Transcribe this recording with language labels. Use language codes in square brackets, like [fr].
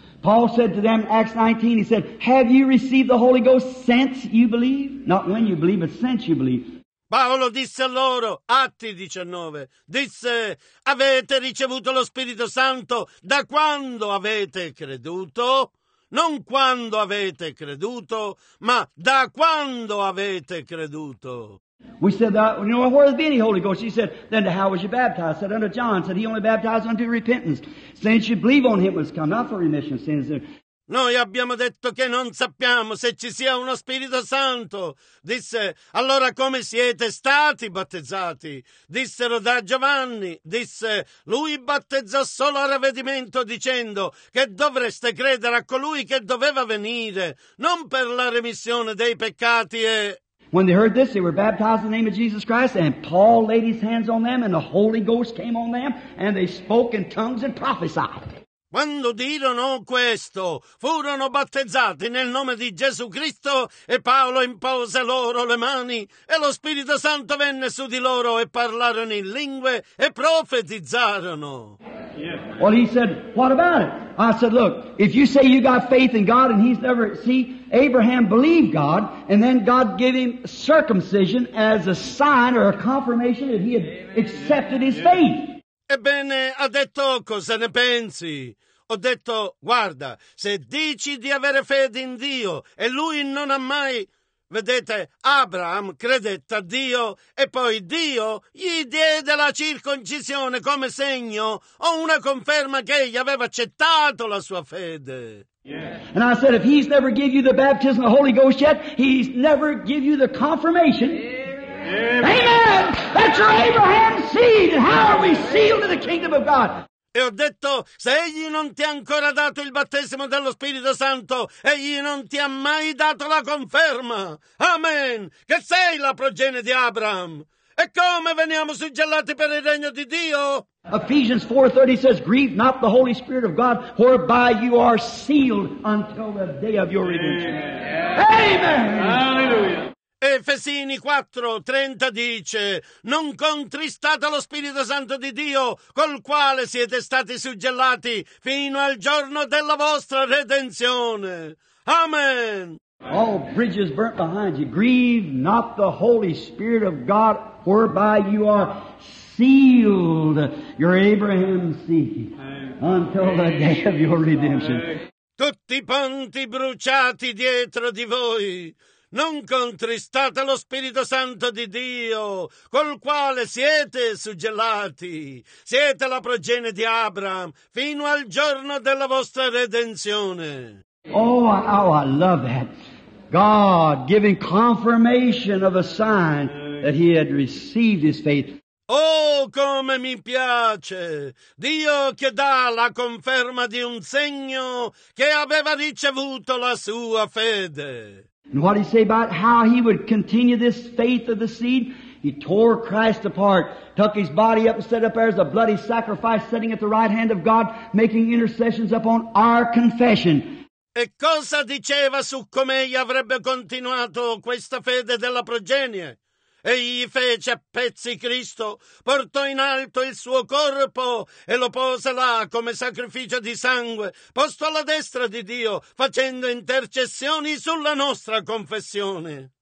[en] Paul said to them, Acts 19, he said, have you received the Holy Ghost since you believe? Not when you believe, but since you believe. [it] Paolo disse loro, Atti 19, disse, avete ricevuto lo Spirito Santo da quando avete creduto? Non quando avete creduto, ma da quando avete creduto. [en] We said, you know, where has been the Holy Ghost? He said, then how was you baptized? Said, under John. Said, he only baptized unto repentance. Since you believe on him, it was come out for remission of sins. [it] Noi abbiamo detto che non sappiamo se ci sia uno Spirito Santo. Disse, allora come siete stati battezzati? Dissero, da Giovanni. Disse, lui battezzò solo a ravvedimento dicendo che dovreste credere a colui che doveva venire, non per la remissione dei peccati e... [en] When they heard this, they were baptized in the name of Jesus Christ, and Paul laid his hands on them, and the Holy Ghost came on them, and they spoke in tongues and prophesied. [it] Quando dirono questo, furono battezzati nel nome di Gesù Cristo, e Paolo impose loro le mani, e lo Spirito Santo venne su di loro, e parlarono in lingue, e profetizzarono. [en] Well, he said, what about it? I said, look, if you say you got faith in God, and he's never, see, Abraham believed God, and then God gave him circumcision as a sign or a confirmation that he had accepted his faith. [it] Ebbene, ha detto, cosa ne pensi? Ho detto, guarda, se dici di avere fede in Dio e lui non ha mai... Vedete, Abraham credette a Dio e poi Dio gli diede la circoncisione come segno o una conferma che egli aveva accettato la sua fede. Yeah. [en] And I said, if he's never give you the baptism of the Holy Ghost yet, he's never give you the confirmation. Amen. Amen. That's your Abraham seed. How are we sealed in the kingdom of God? [it] E ho detto, se egli non ti ha ancora dato il battesimo dello Spirito Santo, egli non ti ha mai dato la conferma. Amen. Che sei la progenie di Abraham. E come veniamo suggellati per il regno di Dio? [en] Ephesians 4:30 says, grieve not the Holy Spirit of God, whereby you are sealed until the day of your redemption. Amen. Alleluia. [it] Efesini 4:30 dice, non contristate lo Spirito Santo di Dio, col quale siete stati suggellati fino al giorno della vostra redenzione. Amen. [en] All bridges burnt behind you. Grieve not the Holy Spirit of God, whereby you are sealed, your Abraham's seed, until the day of your redemption. [it] Tutti i ponti bruciati dietro di voi, non contristate lo Spirito Santo di Dio, col quale siete suggellati. Siete la progenie di Abraham fino al giorno della vostra redenzione. [en] Oh, how I love that. God giving confirmation of a sign that he had received his faith. [it] Oh, come mi piace! Dio che dà la conferma di un segno che aveva ricevuto la sua fede. [en] And what did he say about how he would continue this faith of the seed? He tore Christ apart, took his body up and set up there as a bloody sacrifice, sitting at the right hand of God, making intercessions upon our confession. [it] E cosa diceva su come egli avrebbe continuato questa fede della progenie? Egli fece a pezzi Cristo, portò in alto il suo corpo e lo pose là come sacrificio di sangue, posto alla destra di Dio, facendo intercessioni sulla nostra confessione.